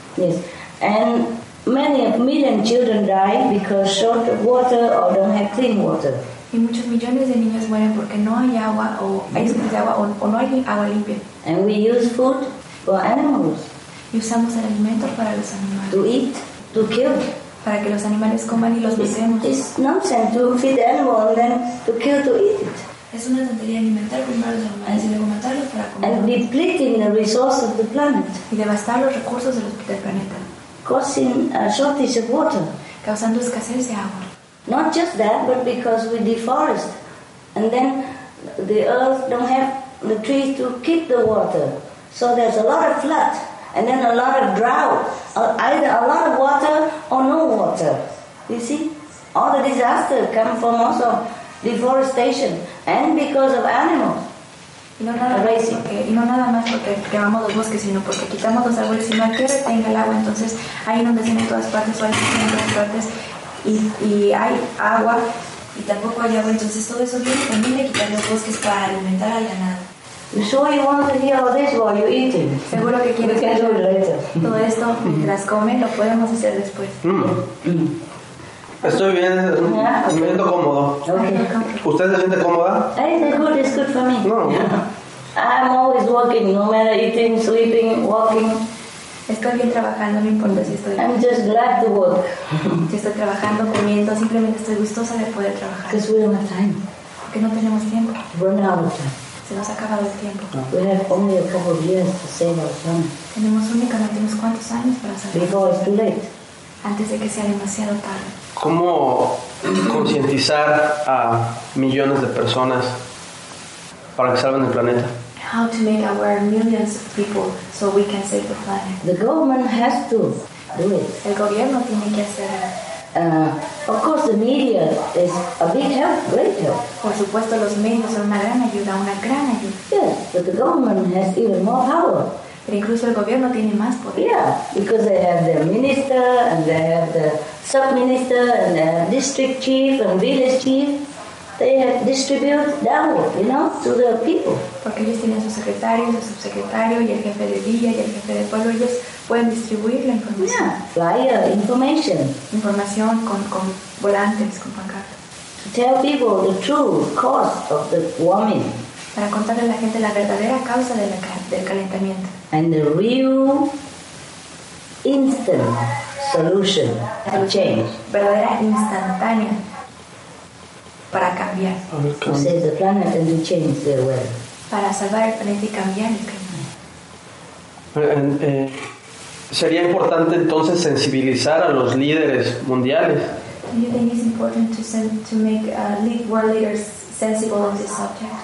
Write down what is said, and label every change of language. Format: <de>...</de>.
<en>Yes. And many million children die because short of water or don't have clean water.</en> <es>Y muchos millones de niños mueren porque no hay agua o hay escasez de agua o no hay agua limpia.</es> <en>And we use food for animals.</en> <es>Y usamos el alimento para los animales.</es> <en>To eat, to kill.</en> <es>Para que los animales coman y los matemos.</es> <en>It's nonsense to feed the animal and then to kill to eat it.</en> <es>Es una tontería alimentar primero a los animales y luego matarlos para comer.</es> <en>And depleting the resources of the planet.</en> <es>Y devastar los recursos del planeta.</es> <en>Causing a shortage of water.</en> <es>Causando escasez de agua.</es> <en>Not just that, but because we deforest, and then the earth don't have the trees to keep the water, so there's a lot of flood, and then a lot of drought, either a lot of water or no water. You see, all the disasters come from also deforestation and because of animals.</en> <es>Y no nada más porque quemamos los bosques, sino porque quitamos los árboles y no hay que retenga el agua. Entonces hay inundaciones en todas partes, hay inundaciones en todas partes. Y hay agua y tampoco hay agua, entonces todo eso viene también de quitar los bosques para alimentar al ganado.</es> <en>Sure you want to hear all this while you're eating.</en> <es>Seguro que quieres hacer todo esto mientras comen, lo podemos hacer después. Estoy bien, me siento cómodo.</es> <en>Okay.</en> <es>¿Usted se siente cómoda?</es> <en>It's good for me. No. I'm always walking, no matter eating, sleeping, walking.</en> <es>Estoy bien trabajando, no importa si estoy bien.</es> <en>I'm just glad to work.</en> <es>Si estoy trabajando, comiendo, simplemente estoy gustosa de poder trabajar.</es> <en>Because we don't have time.</en> <es>Porque no tenemos tiempo.</es> <en>Run out of time.</en> <es>Se nos ha acabado el tiempo.</es> <en>We have only a couple of years to save our planet.</en> <es>Tenemos únicamente unos cuantos años para salvar.</es> <en>Before it's too late.</en> <es>Antes de que sea demasiado tarde. ¿Cómo concientizar a millones de personas para que salven el planeta?</es> <en>How to make aware millions of people so we can save the planet. The government has to do it.</en> <es>El gobierno tiene que hacer.</es> <en>Of course, the media is a big help, great help.</en> <es>Por supuesto, los medios son una gran ayuda.</es> <en>Yes, but the government has even more power.</en> <es>Pero incluso el gobierno tiene más poder.</es> <en>Yeah, because they have their minister and they have the sub-minister and their district chief and village chief. They distribute downward, you know, to the people.</en> <es>Porque ellos tienen su secretario, su subsecretario, y el jefe de villa, y el jefe de pueblo, ellos pueden distribuir la información.</es> <en>Yeah, flyer, information.</en> <es>Información con volantes, con pancartas.</es> <en>To tell people the true cause of the warming.</en> <es>Para contarle a la gente la verdadera causa del calentamiento.</es> <en>And the real instant solution to change.</en> <es>Verdadera instantánea. Para cambiar.</es> <en>To save the planet and to change the world.</en> <es>Para salvar el planeta y cambiar el clima. Sería importante entonces sensibilizar a los líderes mundiales.</es> <en>Do you think it's important to make world leaders sensible on this subject?</en>